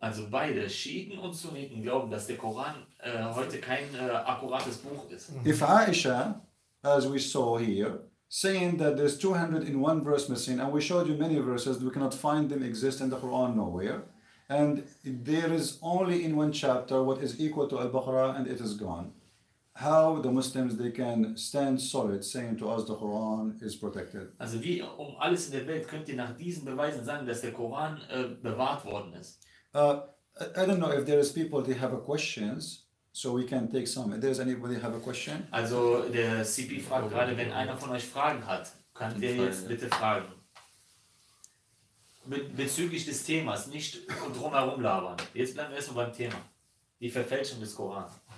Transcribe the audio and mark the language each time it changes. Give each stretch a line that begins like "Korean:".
German: Also beide, Schiiten und Sunniten, glauben, dass der Koran heute kein akkurates Buch ist.
English: If Aisha, as we saw here, saying that there's 201 verse missing, and we showed you many verses, we cannot find them exist in the Quran nowhere. And there is only in one chapter what is equal to Al-Baqarah, and it is gone. How the Muslims they can stand solid saying to us the Quran is protected.
German: Also wie um alles in der Welt könnt ihr nach diesen Beweisen sagen, dass der Koran bewahrt worden ist?
English: I don't know if there is people they have a questions, so we can take some. If there is anybody have a question?
German: Also der CP fragt gerade, wenn einer von euch Fragen hat, kann der jetzt bitte fragen. Bezüglich des Themas, nicht drumherum labern. Jetzt bleiben wir erstmal beim Thema. Die Verfälschung des Korans.